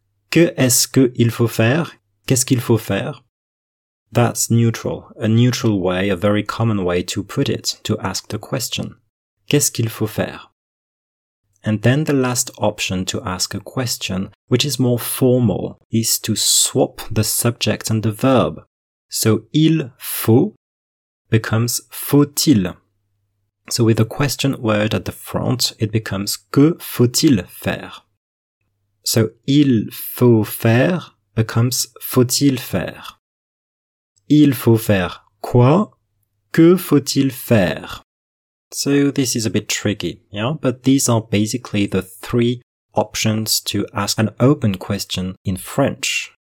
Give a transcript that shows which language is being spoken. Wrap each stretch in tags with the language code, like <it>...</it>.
<fr>Que est-ce qu'il faut faire? Qu'est-ce qu'il faut faire?</fr> <en>That's neutral. A neutral way, a very common way to put it, to ask the question.</en> <fr>Qu'est-ce qu'il faut faire?</fr> <en>And then the last option to ask a question, which is more formal, is to swap the subject and the verb. So, il faut becomes faut-il. So, with the question word at the front, it becomes</en> <fr>que faut-il faire?</fr> <en>So, il faut faire becomes faut-il faire.</en> <fr>Il faut faire quoi? Que faut-il faire?</fr> <en>So, this is a bit tricky, yeah? But these are basically the three options to ask an open question in French.</en>